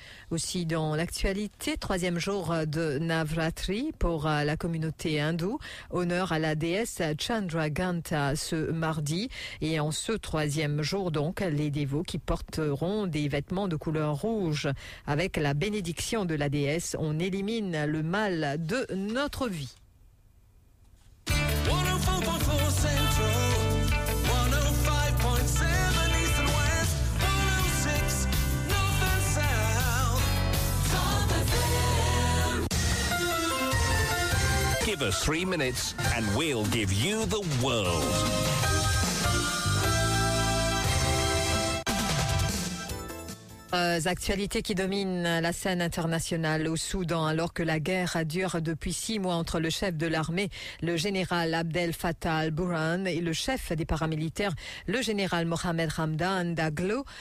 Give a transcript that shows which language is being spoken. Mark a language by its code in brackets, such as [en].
[fr] Aussi dans l'actualité, troisième jour de Navratri pour la communauté hindoue. Honneur à la déesse Chandraganta ce mardi. Et en ce troisième jour donc, les dévots qui porteront des vêtements de couleur rouge. Avec la bénédiction de la déesse, on élimine le mal de notre vie. [en] 104.4 Central, 105.7 East and West, 106 North and South, Top FM. Give us 3 minutes and we'll give you the world. [fr] Actualités qui dominent la scène internationale au Soudan, alors que la guerre dure depuis 6 mois entre le chef de l'armée, le général Abdel Fattah al-Burhan, et le chef des paramilitaires, le général Mohamed Hamdan Daglo.